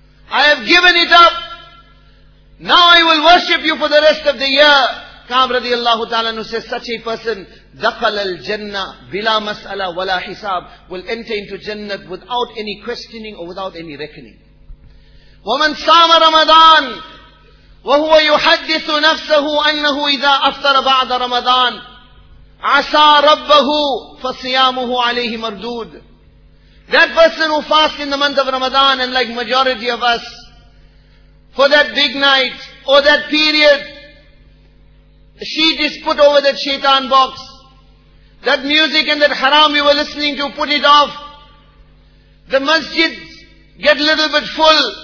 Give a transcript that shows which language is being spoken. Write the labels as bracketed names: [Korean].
[English] I have given it up. Now I will worship you for the rest of the year. Ka'ab radiallahu ta'ala who says, such a person, [Arabic] دخل الجنة بلا مسألة ولا حساب, [English] will enter into Jannah without any questioning or without any reckoning. [Arabic] وَمَنْ صَامَ رَمَضَانَ وهو يحدث نفسه أنه إذا أفطر بعد رمضان عصى ربه فصيامه عليه مردود. [English] That person who fasts in the month of Ramadan, and like majority of us, for that big night or that period, she just put over that shaitan box. That music and that haram you were listening to, put it off. The masjid get a little bit full.